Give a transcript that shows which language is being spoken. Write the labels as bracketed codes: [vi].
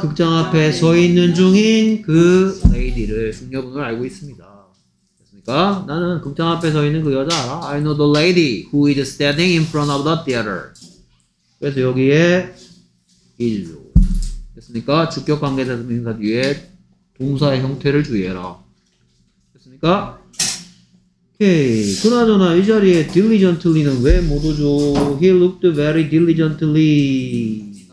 [ko] 극장 앞에 서 있는 중인 그 lady를 숙녀분을 알고 있습니다. 됐습니까? 나는 극장 앞에 서 있는 그 여자 알아. [en] I know the lady who is standing in front of the theater. [ko] 그래서 여기에 일로 됐습니까? 주격 관계대명사 뒤에 동사의 형태를 주의해라. 됐습니까? 오케이. 그나저나 이 자리에 diligently는 왜 못 오죠? [en] He looked very diligently.